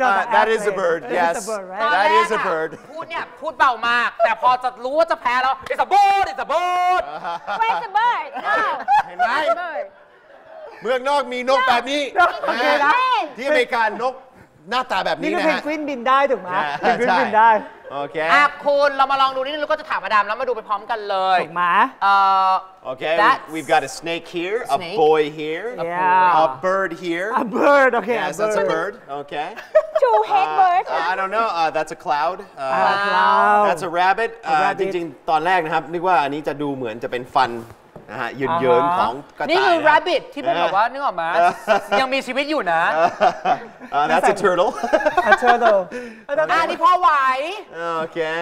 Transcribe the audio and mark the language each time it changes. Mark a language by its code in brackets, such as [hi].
[en] not that is a bird yes that is a bird [th] พูดเนี่ยพูดเบามากแต่พอจะรู้ว่าจะแพ้แล้ว [en] it's a bird where's the bird [th] เห็นไหมเมืองนอกมีนกแบบนี้ ที่อเมริกาหน้าตาแบบนี้นะ นี่ก็เพนกวินบินได้ถูกไหมเพนกวินบินได้โอเค อ่ะคุณเรามาลองดูนิดนึงแล้วก็จะถามอดัมแล้วมาดูไปพร้อมกันเลย ถูกไหม [en] โอเค we've got a snake here a boy here yeah a bird here a bird okay yes that's a bird okay two head birds I don't know that's a cloud cloud that's a rabbit [th] จริงๆตอนแรกนะครับนึกว่าอันนี้จะดูเหมือนจะเป็นฟันนะฮะยืนเยินของกระต่าย นี่คือ rabbit ที่ผมบอกว่านึกออกมั้ยยังมีชีวิตอยู่นะ [en] that's a turtle a turtle [th] อันนี้พ่อไหว โอเค